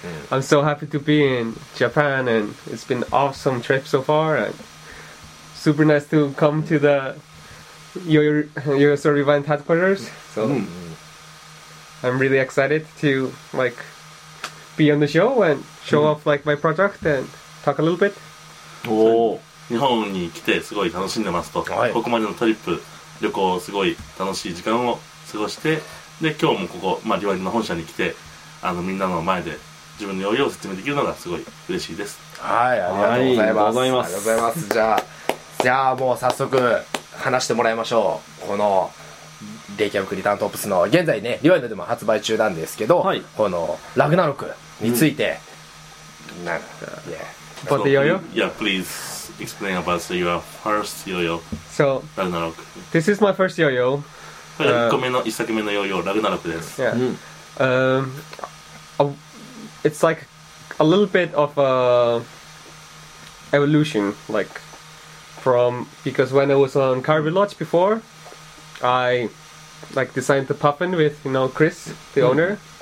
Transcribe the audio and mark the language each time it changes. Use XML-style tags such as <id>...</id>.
<en>I'm so happy to be in Japan, and it's been an awesome trip so far. And super nice to come to the Yoyosu Rewind headquarters. So I'm really excited to like be on the show and show off like my project and talk a little bit.</en> <ja>Oh, 日本に来てすごい楽しんでますと。はい。ここまでのトリップ、旅行すごい楽しい時間を過ごして。で今日もここ、まあ、リワインの本社に来てあのみんなの前で自分の酔いを説明できるのがすごい嬉しいです。はい、ありがとうございます、はい、ありがとうございます。ありがとうございます。じゃあもう早速話してもらいましょう。このレイキャブクリタントップスの現在ねリワインドでも発売中なんですけど、はい、このラグナロクについて、うん、なんか、</ja> <en>yeah. About the yo-yo? Yeah, please explain about your first yo-yo. So, Ragnarok. This is my first yo-yo.</en> <ja>1作目の yo-yo, Ragnarok です。</ja> <en>Yeah. It's like a little bit of a evolution, like from, because when I was on Carby Lodge before, I like designed the puffin with, you know, Chris, the owner.</en>